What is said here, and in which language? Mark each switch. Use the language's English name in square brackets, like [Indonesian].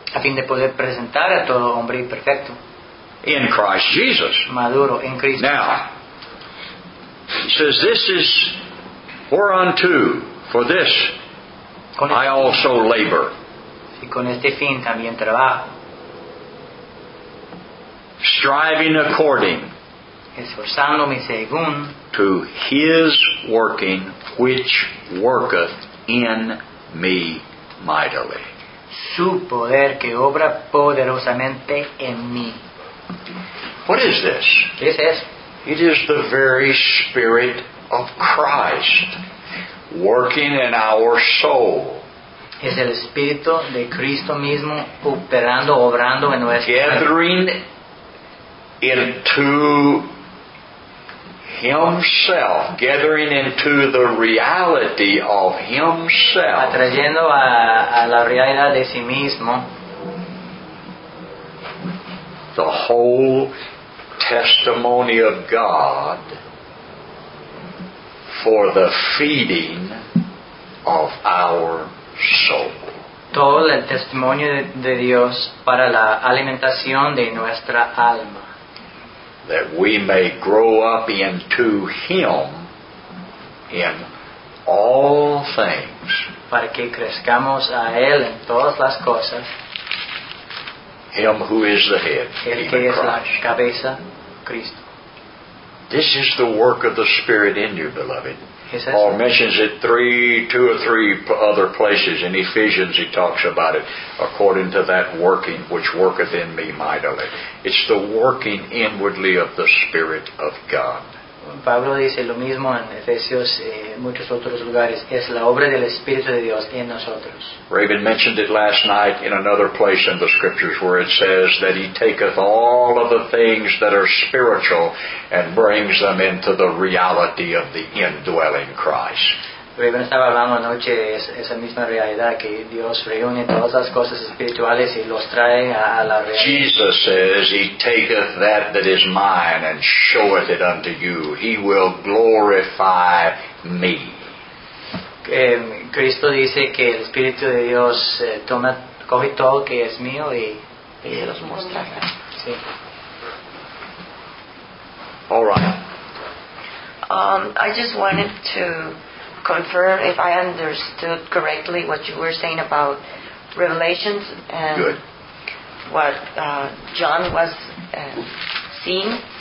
[Spanish] A fin de poder presentar a todo hombre perfecto. [English] In Christ Jesus. [Spanish] Maduro en Cristo. [English] Now, he says, this is whereunto, for this, I also labor. [Spanish] Si con este fin también trabajo. [English] Striving according. [Spanish] Esforzándome según. [English] To his working which worketh in me mightily. [Spanish] Su poder que obra poderosamente en mí. [English] What is this? [Spanish] ¿Qué es eso? [English] It is the very Spirit of Christ working in our soul. [Spanish] Es el Espíritu de Cristo mismo operando, obrando en nuestra vida. [English] Gathering into himself, gathering into the reality of himself, [Spanish] atrayendo a la realidad de sí mismo, [English] the whole testimony of God for the feeding of our soul. [Spanish] Todo el testimonio de Dios para la alimentación de nuestra alma. [English] That we may grow up into Him in all things. [Spanish] Para que crezcamos a Él en todas las cosas. [English] Him who is the head, [Spanish] el que es la cabeza, Cristo. [English] This is the work of the Spirit in you, beloved. Paul mentions it two or three other places. In Ephesians he talks about it, according to that working which worketh in me mightily. It's the working inwardly of the Spirit of God. [Spanish] Pablo dice lo mismo en Efesios y muchos otros lugares. Es la obra del Espíritu de Dios en nosotros. [English] Raven mentioned it last night in another place in the Scriptures where it says that he taketh all of the things that are spiritual and brings them into the reality of the indwelling Christ. [Spanish] Raven estaba hablando anoche de esa misma realidad que Dios reúne todas las cosas espirituales y los trae a la realidad. [English] Jesus says, he taketh that is mine and showeth it unto you. He will glorify me. [Spanish] Cristo dice que el Espíritu de Dios coge todo que es mío y los mostrará. Sí. [English] All right. I just wanted to confirm if I understood correctly what you were saying about revelations and good. What John was seeing.